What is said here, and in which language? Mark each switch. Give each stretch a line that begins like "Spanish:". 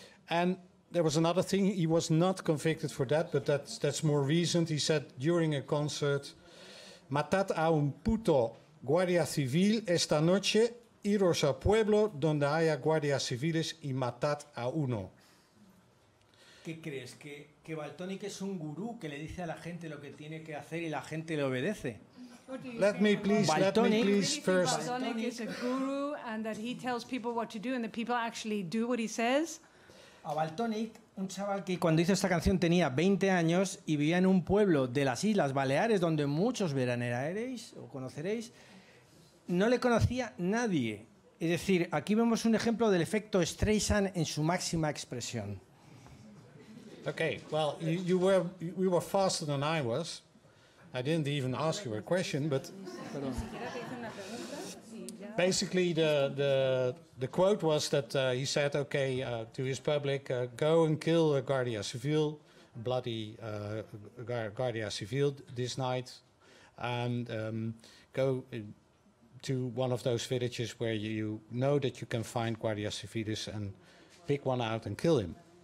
English: And there was another thing. He was not convicted for that, but that's more recent. He said during a concert,
Spanish: "Matad a un puto guardia civil esta noche, iros a pueblo donde haya guardias civiles y matad a uno." ¿Qué crees? ¿Que Baltonic es un gurú que le dice a la gente lo que tiene que hacer y la gente le obedece?
English: Let me please first. Balie is a guru, and that he tells people what to do, and the people actually do what he says.
Spanish: A Baltonic, un chaval que cuando hizo esta canción tenía 20 años y vivía en un pueblo de las Islas Baleares, donde muchos veraneareis o conoceréis, no le conocía nadie. Es decir, aquí vemos un ejemplo del efecto Streisand en su máxima expresión.
English: Okay, well, you were faster than I was. I didn't even ask you a question, but basically the quote was that he said, okay, to his public, go and kill a Guardia Civil, bloody Guardia Civil this night, and go to one of those villages where you know that you can find Guardia Civilis and pick one out and kill him.